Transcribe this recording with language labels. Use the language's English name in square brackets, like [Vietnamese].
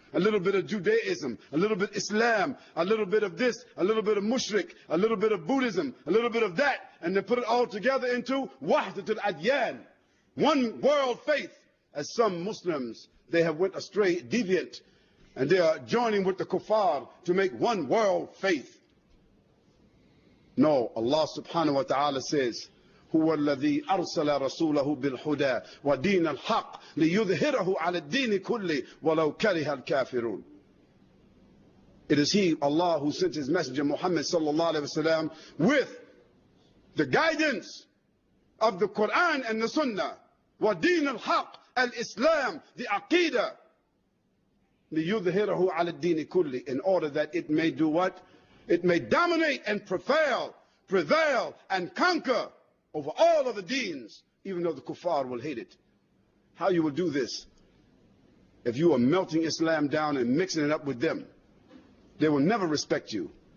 [English] A little bit of Judaism, a little bit Islam, a little bit of this, a little bit of Mushrik, a little bit of Buddhism, a little bit of that. And then put it all together into Wahdatul Adyan. One world faith. As some Muslims, they have went astray, deviant. And they are joining with the kuffar to make one world faith. No, Allah subhanahu wa ta'ala says, [Arabic] هُوَ الَّذِي أَرْسَلَ رَسُولَهُ بِالْهُدَى وَدِينَ الْحَقِّ لِيُذْهِرَهُ عَلَى الدِّينِ كُلِّ وَلَوْ كَرِهَ الْكَافِرُونَ. [English] It is He, Allah, who sent His Messenger Muhammad sallallahu alaihi wasallam with the guidance of the Quran and the Sunnah. [Arabic] وَدِينَ الْحَقِّ الْإِسْلَامِ the Aqeedah. لِيُذْهِرَهُ عَلَى الدِّينِ كُلِّ. [English] In order that it may do what? It may dominate and prevail and conquer over all of the deens, even though the kuffar will hate it. How you will do this? If you are melting Islam down and mixing it up with them, they will never respect you.